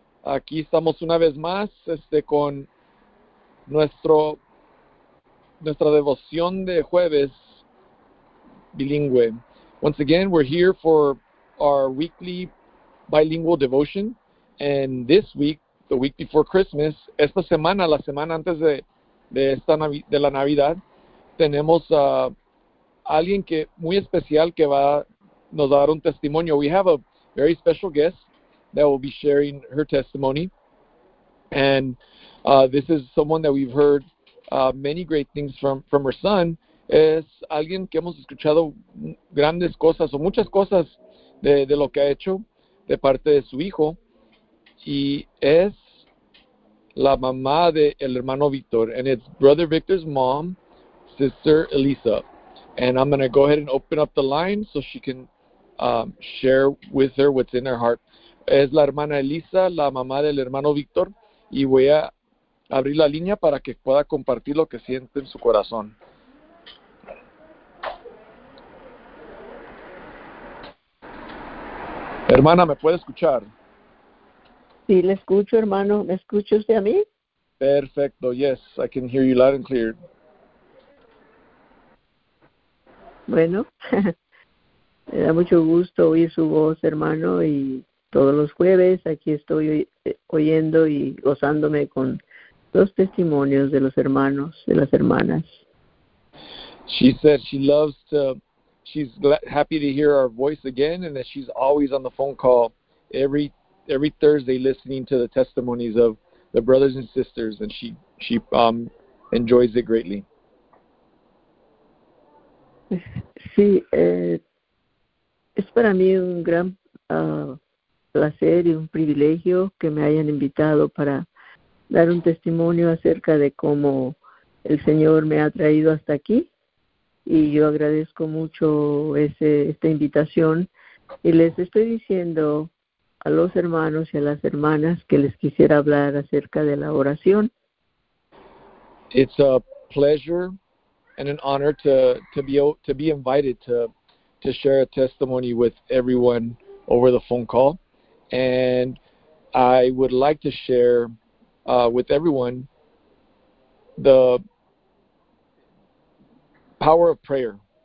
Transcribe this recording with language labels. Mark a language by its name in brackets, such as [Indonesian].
[Spanish] Aquí estamos una vez más con nuestra devoción de jueves bilingüe. [English] Once again, we're here for our weekly bilingual devotion. And this week, the week before Christmas, [Spanish] esta semana, la semana antes de la Navidad, tenemos a alguien que muy especial que va nos dar un testimonio. [English] We have a very special guest that will be sharing her testimony. And this is someone that we've heard many great things from her son. [Spanish] Es alguien que hemos escuchado grandes cosas o muchas cosas de lo que ha hecho de parte de su hijo. Y es la mamá de el hermano Victor. [English] And it's Brother Victor's mom, Sister Elisa. And I'm going to go ahead and open up the line so she can share with her what's in her heart. [Spanish] Es la hermana Elisa, la mamá del hermano Víctor, y voy a abrir la línea para que pueda compartir lo que siente en su corazón. Hermana, ¿me puede escuchar? Sí, le escucho, hermano. ¿Me escucha usted a mí? [English] Perfecto, yes, I can hear you loud and clear. [Spanish] Bueno, me da mucho gusto oír su voz, hermano, y todos los jueves aquí estoy oyendo y gozándome con los testimonios de los hermanos, de las hermanas. [English] She said she loves to, she's happy to hear our voice again, and that she's always on the phone call every Thursday listening to the testimonies of the brothers and sisters, and she enjoys it greatly. [Spanish] Sí, es para mí un gran placer y un privilegio que me hayan invitado para dar un testimonio acerca de cómo el Señor me ha traído hasta aquí. Y yo agradezco mucho esta invitación. Y les estoy diciendo a los hermanos y a las hermanas que les quisiera hablar acerca de la oración. [English] It's a pleasure and an honor to be invited to share a testimony with everyone over the phone call. And I would like to share with everyone the power of prayer.